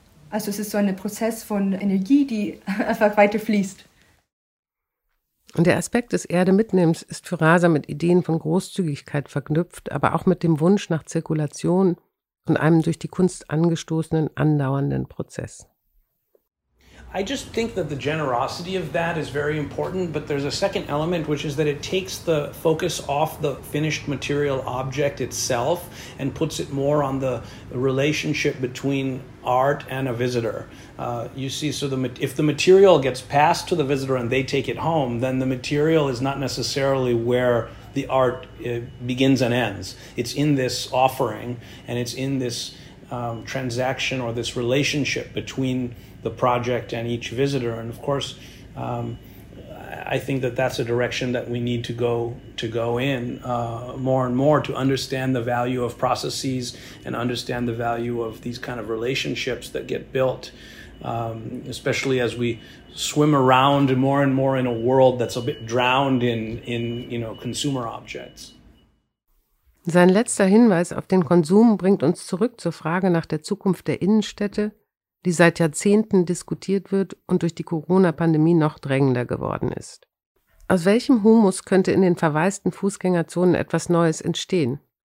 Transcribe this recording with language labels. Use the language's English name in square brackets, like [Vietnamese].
[German] Also es ist so ein Prozess von Energie, die einfach weiter fließt. Und der Aspekt des Erde-Mitnehmens ist für Rasa mit Ideen von Großzügigkeit verknüpft, aber auch mit dem Wunsch nach Zirkulation und einem durch die Kunst angestoßenen, andauernden Prozess. [English] I just think that the generosity of that is very important, but there's a second element, which is that it takes the focus off the finished material object itself and puts it more on the relationship between art and a visitor. You see, so if the material gets passed to the visitor and they take it home, then the material is not necessarily where the art begins and ends. It's in this offering and it's in this transaction or this relationship between the project and each visitor. And of course, I think that that's a direction that we need to go in more and more, to understand the value of processes and understand the value of these kind of relationships that get built, especially as we swim around more and more in a world that's a bit drowned in you know, consumer objects. [German] Sein letzter Hinweis auf den Konsum bringt uns zurück zur Frage nach der Zukunft der Innenstädte, die seit Jahrzehnten diskutiert wird und durch die Corona-Pandemie noch drängender geworden ist. Aus welchem Humus könnte in den verwaisten Fußgängerzonen etwas Neues entstehen?